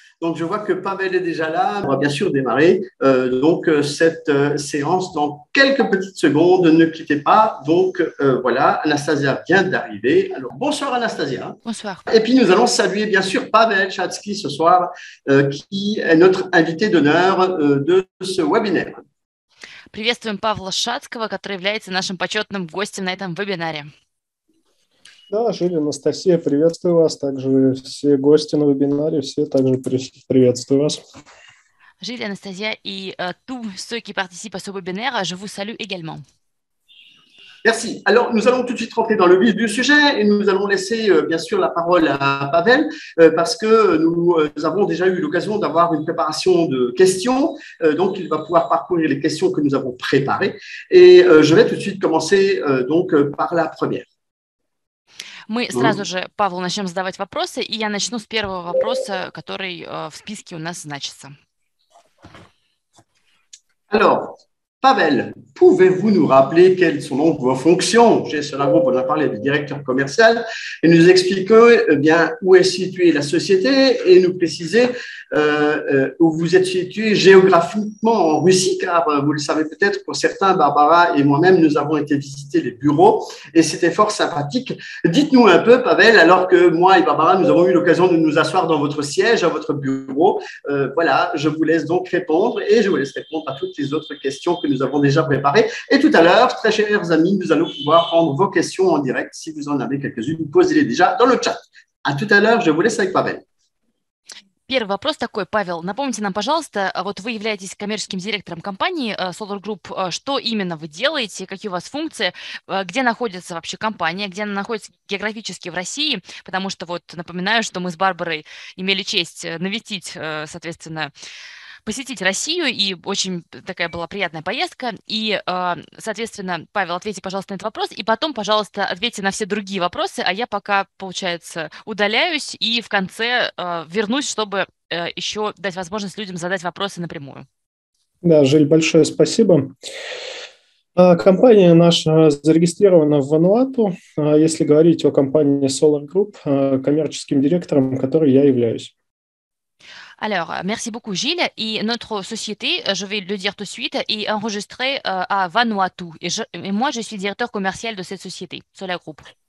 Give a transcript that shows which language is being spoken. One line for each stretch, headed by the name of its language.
French: Donc, je vois que Pavel est déjà là. On va bien sûr démarrer cette séance dans quelques petites secondes. Ne quittez pas. Donc, voilà, Anastasia vient d'arriver. Alors, bonsoir, Anastasia. Bonsoir. Et puis, nous allons saluer bien sûr Pavel Chatzky ce soir, qui est notre invité d'honneur de ce webinaire.
Russian: Приветствуем Павла Шацкого, который является нашим почетным гостем на этом вебинаре. Да, Жиль, Анастасия, приветствую вас. Также все гости на вебинаре, все также приветствую вас. Жиль, Анастасия и
French: tous ceux qui participent à ce webinaire, je vous salue également. Merci. Alors, nous allons tout de suite rentrer dans le vif du sujet et nous allons laisser, bien sûr, la parole à Pavel parce que nous avons déjà eu l'occasion d'avoir une préparation de questions. Donc, il va pouvoir parcourir les questions que nous avons préparées. Et je vais tout de suite commencer donc par la première.
Russian: Мы сразу же, Павел, начнем задавать вопросы, и я начну с первого вопроса, который в списке у нас значится.
French: Alors, Pavel, pouvez-vous nous rappeler quelles sont donc vos fonctions? J'ai ce rapport, on a parlé du directeur commercial, et nous expliquer bien où est située la société et nous préciser où vous êtes situé géographiquement en Russie, car vous le savez peut-être, pour certains, Barbara et moi-même, nous avons été visiter les bureaux et c'était fort sympathique. Dites-nous un peu, Pavel, alors que moi et Barbara, nous avons eu l'occasion de nous asseoir dans votre siège, à votre bureau. Voilà, je vous laisse donc répondre et je vous laisse répondre à toutes les autres questions que nous avons déjà préparées. Et tout à l'heure, très chers amis, nous allons pouvoir prendre vos questions en direct. Si vous en avez quelques-unes, posez-les déjà dans le chat. À tout à l'heure, je vous laisse avec Pavel.
Russian: Первый вопрос такой, Павел, напомните нам, пожалуйста, вот вы являетесь коммерческим директором компании Solar Group, что именно вы делаете, какие у вас функции, где находится вообще компания, где она находится географически в России, потому что вот напоминаю, что мы с Барбарой имели честь навестить, соответственно, посетить Россию, и очень такая была приятная поездка, и, соответственно, Павел, ответьте, пожалуйста, на этот вопрос, и потом, пожалуйста, ответьте на все другие вопросы, а я пока, получается, удаляюсь и в конце вернусь, чтобы еще дать возможность людям задать вопросы напрямую. Да, Жиль, большое спасибо. Компания наша зарегистрирована в Вануату, если говорить о компании Solar Group, коммерческим директором, которой я являюсь.
French: Alors, merci beaucoup, Gilles. Et notre société, je vais le dire tout de suite, est enregistrée à Vanuatu. Et moi, je suis directeur commercial de cette société, Solar Group.